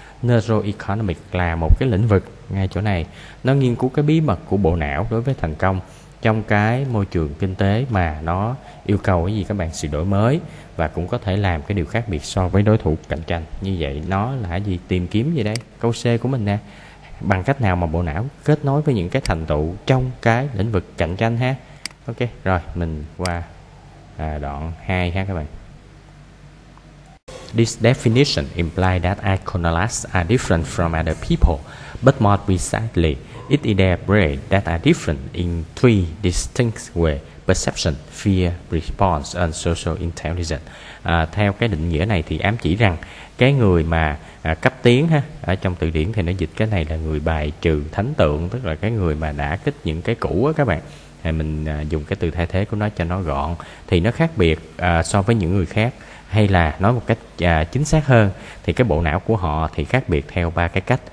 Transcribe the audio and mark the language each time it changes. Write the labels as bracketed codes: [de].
[vi] Neuroeconomic là một cái lĩnh vực ngay chỗ này. Nó nghiên cứu cái bí mật của bộ não đối với thành công trong cái môi trường kinh tế mà nó yêu cầu cái gì các bạn, sự đổi mới và cũng có thể làm cái điều khác biệt so với đối thủ cạnh tranh. Như vậy nó là gì, tìm kiếm gì đây? Câu C của mình nè, bằng cách nào mà bộ não kết nối với những cái thành tựu trong cái lĩnh vực cạnh tranh ha. Ok, rồi mình qua đoạn 2 ha các bạn. [en] this definition implies that iconoclasts are different from other people, but more precisely, it elaborates that are different in three distinct ways: perception, fear, response, and social intelligence. [vi] Theo cái định nghĩa này thì ám chỉ rằng cái người mà cấp tiến ha, ở trong từ điển thì nó dịch cái này là người bài trừ thánh tượng, tức là cái người mà đã kích những cái cũ á các bạn. Thì mình dùng cái từ thay thế của nó cho nó gọn, thì nó khác biệt so với những người khác, hay là nói một cách chính xác hơn thì cái bộ não của họ thì khác biệt theo ba cái cách.